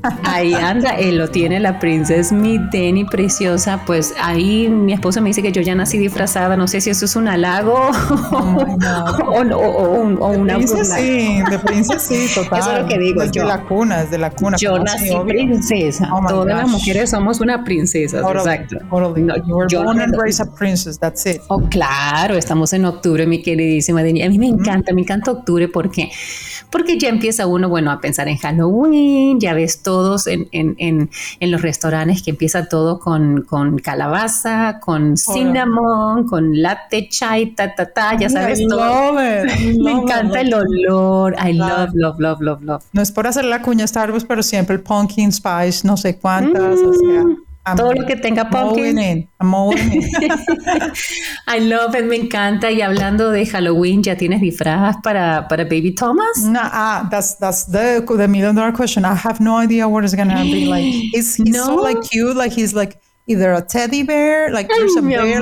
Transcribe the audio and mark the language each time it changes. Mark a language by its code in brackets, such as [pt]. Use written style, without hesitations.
[es] Ahí anda, lo tiene la princesa, mi Denny preciosa. Pues ahí mi esposo me dice que yo ya nací disfrazada. No sé si eso es un halago o una burla. De princesa sí, total. Eso es lo que digo desde yo. Es de la cuna. Yo nací princesa. Oh, todas las mujeres somos una princesa. [en] Totally, [es] exacto. [en] Totally. No, born and raised a princess, that's it. [es] Oh, claro, estamos en octubre, mi queridísima Denny. A mí me encanta octubre, porque ya empieza uno, bueno, a pensar en Halloween, ya ves todos en los restaurantes que empieza todo con calabaza, con cinnamon, con latte chai, ya sabes todo. Me encanta el olor. [en] I love. [es] No es por hacer la cuña Starbucks, pero siempre el pumpkin spice, no sé cuántas, o sea. Todo lo que tenga pumpkin. [en] I'm all in. I love it, [es] me encanta. Y hablando de Halloween, ¿ya tienes disfraz para Baby Thomas? [en] That's the million dollar question. I have no idea what it's gonna be like. He's so cute, like either a teddy bear, like there's a bear, amor.